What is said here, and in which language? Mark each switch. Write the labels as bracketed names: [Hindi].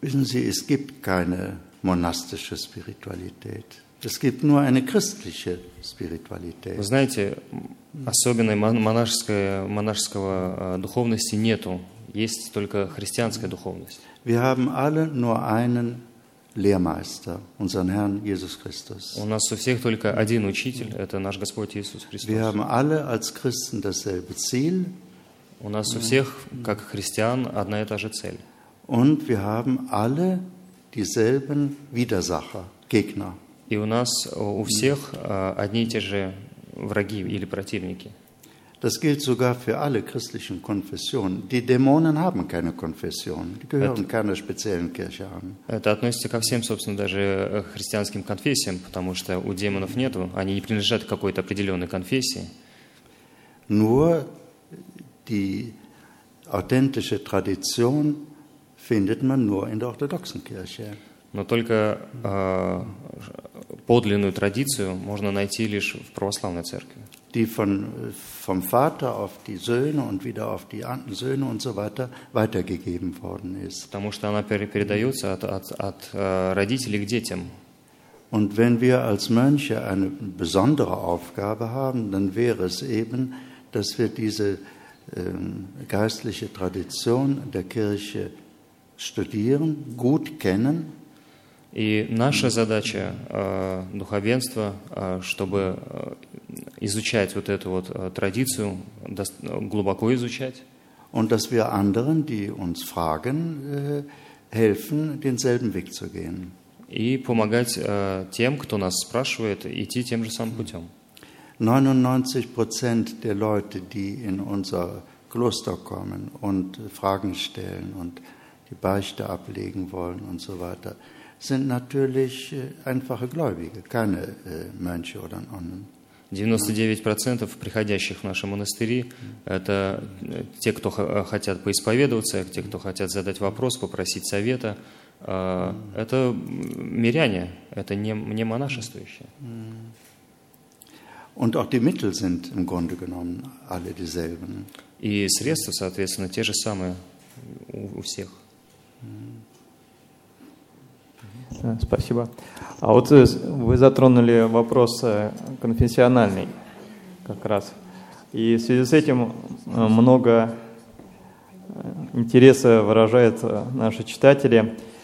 [German] Wissen Sie, es gibt keine monastische Spiritualität. Es gibt nur eine christliche Spiritualität. [Russian] Вы знаете, особенной монашеского духовности нету. Есть только христианская духовность. [German] Wir haben alle nur einen Lehrmeister, unseren Herrn Jesus Christus. [Russian] У нас у всех только один учитель, это наш Господь Иисус Христос. [German] Wir haben alle als Christen dasselbe Ziel. [Russian] У нас у всех, как христиан, одна и та же цель. [German] Und wir haben alle dieselben Widersacher, Gegner. [Russian] И у нас у всех одни и те же враги или противники. [German] Das gilt sogar für alle christlichen Konfessionen. Die Dämonen haben keine Konfession. Die gehören keiner speziellen Kirche an. [Russian] Это относится ко всем, собственно, даже христианским конфессиям, потому что у демонов нету, они не принадлежат какой-то определенной конфессии. [German] Nur die authentische Tradition findet man nur in der orthodoxen Kirche. [Russian] Но только подлинную традицию можно найти лишь в православной церкви. [German] Die vom Vater auf die Söhne und wieder auf die Söhne und so weiter weitergegeben worden ist. [Russian] Потому что она передается от родителей к детям. [German] Und wenn wir als Mönche eine besondere Aufgabe haben, dann wäre es eben, dass wir diese geistliche Tradition der Kirche studieren, gut kennen. [Russian] И наша задача духовенства, чтобы изучать вот эту вот традицию, глубоко изучать. [German] Und dass wir anderen, die uns fragen, helfen, denselben Weg zu gehen. [Russian] И помогать тем, кто нас спрашивает, идти тем же самым путем. [German] 99% der Leute, die in unser Kloster kommen und Fragen stellen und die Beichte ablegen wollen und so weiter, sind natürlich einfache Gläubige, keine Mönche oder Nonnen. [Russian] 99% приходящих в наши монастыри – это те, кто хотят поисповедоваться, те, кто хотят задать вопрос, попросить совета. Это миряне, это не монашествующие. [German] Und auch die Mittel sind im Grunde genommen alle dieselben. [Russian] И средства, соответственно, те же самые у всех. Спасибо. А вот вы затронули вопрос конфессиональный как раз. И в связи с этим много интереса выражают наши читатели.